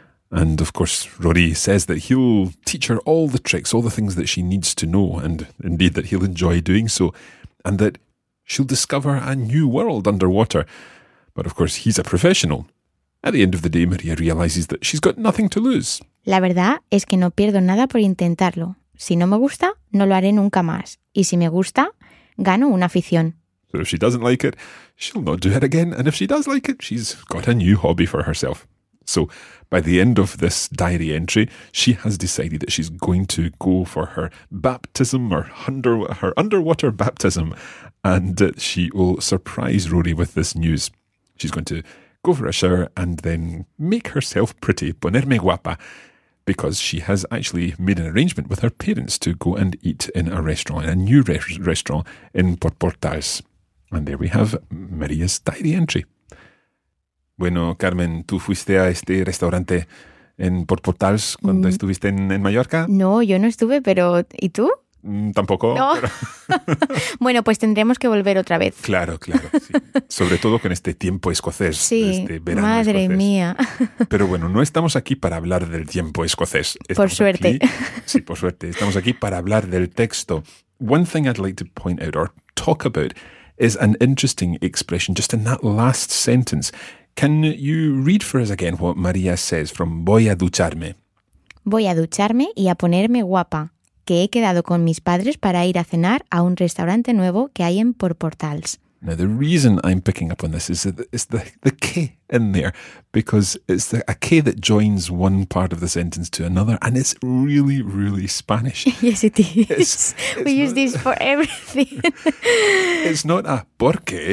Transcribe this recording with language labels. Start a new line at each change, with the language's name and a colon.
English: And of course, Rory says that he'll teach her all the tricks, all the things that she needs to know, and indeed that he'll enjoy doing so, and that she'll discover a new world underwater. But of course, he's a professional. At the end of the day, Maria realizes that she's got nothing to lose.
Spanish: La verdad es que no pierdo nada por intentarlo. Si no me gusta, no lo haré nunca más. Y si me gusta, gano una afición.
English: So if she doesn't like it, she'll not do it again. And if she does like it, she's got a new hobby for herself. So by the end of this diary entry, she has decided that she's going to go for her baptism, or her underwater baptism, and she will surprise Rory with this news. She's going to go for a shower and then make herself pretty,
Spanish: ponerme guapa,
English: because she has actually made an arrangement with her parents to go and eat in a restaurant, in a new restaurant in Portales. And there we have Maria's diary entry.
Spanish: Bueno, Carmen, ¿tú fuiste a este restaurante en Portales cuando estuviste en Mallorca? No, yo no estuve, pero ¿y tú? Tampoco. No. Pero... Bueno, pues tendremos que volver otra vez. Claro, claro. Sí. Sobre todo con este tiempo escocés, sí, este verano madre escocés. Mía. Pero bueno, no estamos aquí para hablar del tiempo escocés. Estamos por suerte. Aquí, sí, por suerte. Estamos aquí para hablar del texto.
English: One thing I'd like to point out or talk about is an interesting expression just in that last sentence. Can you read for us again what Maria says from
Spanish: Voy a ducharme? Voy a ducharme y a ponerme guapa, que he quedado con mis padres para ir a cenar a un restaurante nuevo que hay en Portales.
English: Now, the reason I'm picking up on this is the que in there, because it's a que that joins one part of the sentence to another, and it's really, really Spanish. Yes, it is. We use this for everything. It's not a porque,